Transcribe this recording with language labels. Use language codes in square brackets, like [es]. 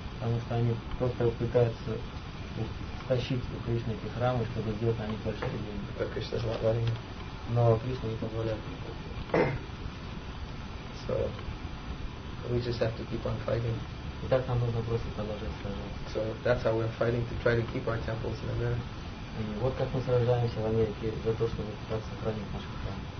[ru] Потому что они просто пытаются стащить у Кришны эти храмы, чтобы сделать на них большие деньги. [en] But Krishna's not letting them. [ru] Но Кришна не позволяет. [en] So. We just have to keep on fighting. [ru] Итак, нам нужно просто продолжать сражаться. [en] So that's how we're fighting to try to keep our temples in America. [ru] И вот как мы сражаемся в Америке за то, чтобы пытаться сохранить наши храмы.